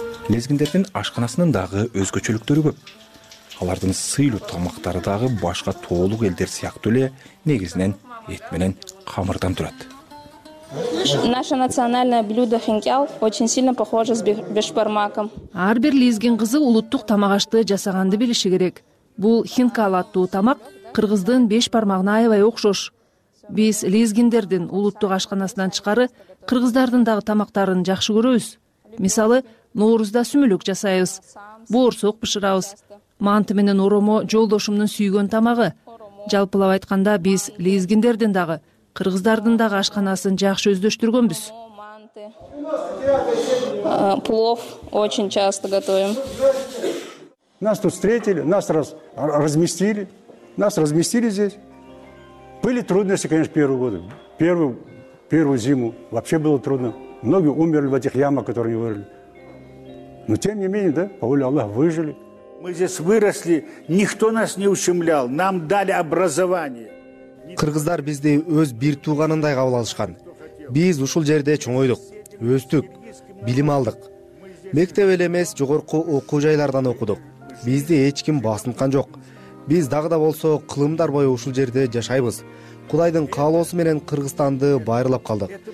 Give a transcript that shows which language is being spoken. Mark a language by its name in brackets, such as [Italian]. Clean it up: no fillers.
[Kyrgyz] Лезгиндердин ашканасынын дагы өзгөчөлүктөрү көп. Алардын сыйлуу тамактары дагы башка тоолук элдер сыяктуу эле негизинен эт менен камырдан турат. [Russian] Наше национальное блюдо хинкал очень сильно похоже с бешбармаком. [Kyrgyz] Ар бир лезгин кызы улуттук тамак ашты жасаганды билиши керек. Бул хинкал аттуу тамак кыргыздын бешбармагына аябай окшош. Биз лезгиндердин улуттук ашканасынан чыгары кыргыздардын дагы тамактарын жакшы көрөбүз. Мисалы, Нооруда сүмүлүк жасайбыз, боорсок пышырабыз, манты менен оромо жолдошумдун сүйгөн тамагы. Жалпылап айтканда, биз лезгиндердин дагы кыргыздардын дагы ашканасын жакшы өздөштүргөнбүз. [Russian] Плов очень часто готовим. Нас тут встретили, нас разместили. Нас разместили здесь. Были трудности, конечно, первые годы. Первую зиму вообще было трудно. Многие умерли в этих ямах, которые они вырыли. Но тем не менее, да, по воле Аллаха выжили. Мы здесь выросли, никто нас не ущемлял. Нам дали образование. [Kyrgyz] Кыргыздар бизди өз бир тууганындай кабыл алышкан. Биз ушул жерде чоңойдук, өстүк, билим алдык. Мектеп эле эмес, жогорку окуу жайлардан окудук. Бизди эч ким басынткан жок. Биз дагы да болсо кылымдар бою ушул жерде жашайбыз. Кудайдын каалоосу менен Кыргызстанды байырлап калдык.